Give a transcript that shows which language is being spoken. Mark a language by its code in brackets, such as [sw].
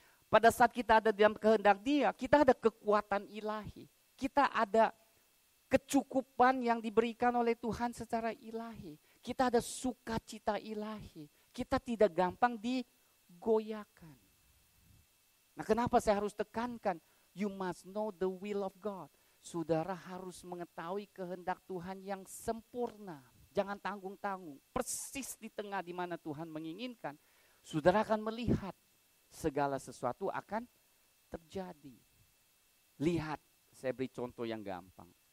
[id] Pada saat kita ada di dalam kehendak Dia, kita ada kekuatan ilahi. Kita ada kecukupan yang diberikan oleh Tuhan secara ilahi. Kita ada sukacita ilahi. Kita tidak gampang digoyahkan. Nah, kenapa saya harus tekankan? [en] You must know the will of God. [id] Saudara harus mengetahui kehendak Tuhan yang sempurna. Jangan tanggung-tanggung. Persis di tengah di mana Tuhan menginginkan, saudara akan melihat segala sesuatu akan terjadi. Lihat, saya beri contoh yang gampang.